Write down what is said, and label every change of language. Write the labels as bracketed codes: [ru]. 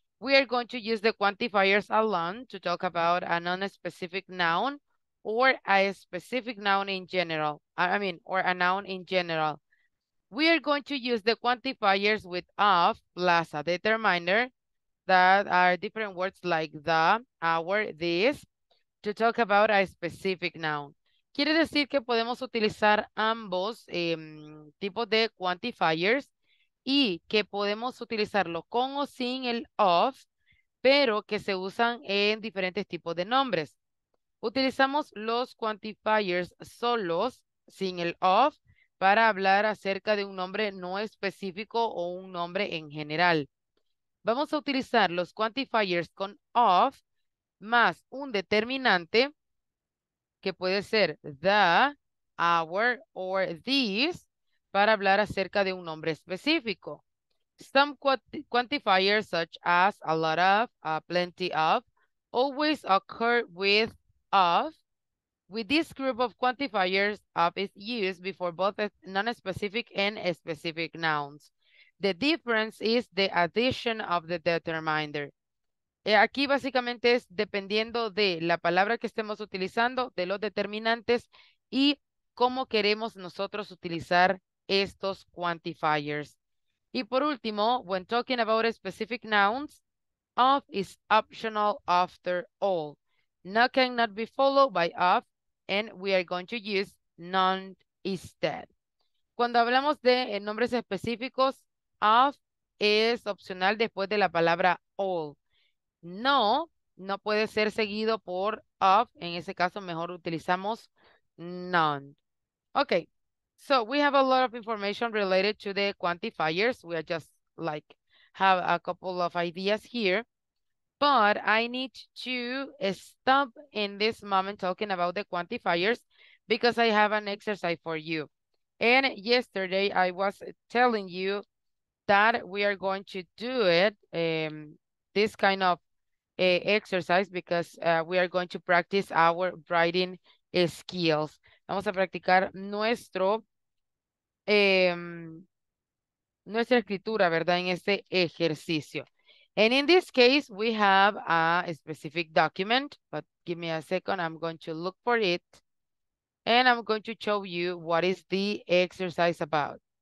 [en] We are going to use the quantifiers alone to talk about a non-specific noun or a specific noun in general, or a noun in general. We are going to use the quantifiers with of plus a determiner that are different words like the, our, this. to talk about a specific noun. [es] Quiere decir que podemos utilizar ambos tipos de quantifiers y que podemos utilizarlo con o sin el of, pero que se usan en diferentes tipos de nombres. Utilizamos los quantifiers solos, sin el of, para hablar acerca de un nombre no específico o un nombre en general. Vamos a utilizar los quantifiers con of más un determinante que puede ser the, our, or these para hablar acerca de un nombre específico. [en] Some quantifiers such as a lot of, plenty of, always occur with of. With this group of quantifiers, of is used before both non-specific and specific nouns. The difference is the addition of the determiner. [es] Aquí básicamente es dependiendo de la palabra que estemos utilizando, de los determinantes y cómo queremos nosotros utilizar estos quantifiers. Y por último, [en] when talking about specific nouns, of is optional after all. Not cannot be followed by of, and we are going to use none instead. [es] Cuando hablamos de nombres específicos, of es opcional después de la palabra all. No, no puede ser seguido por of. En ese caso, mejor utilizamos none. [en] Okay, so we have a lot of information related to the quantifiers. We are just like have a couple of ideas here. But I need to stop in this moment talking about the quantifiers because I have an exercise for you. And yesterday I was telling you that we are going to do it, this kind of exercise because we are going to practice our writing skills. [es] Vamos a practicar nuestra escritura, ¿verdad? En este ejercicio. [en] And in this case, we have a specific document, but give me a second. I'm going to look for it and I'm going to show you what is the exercise about.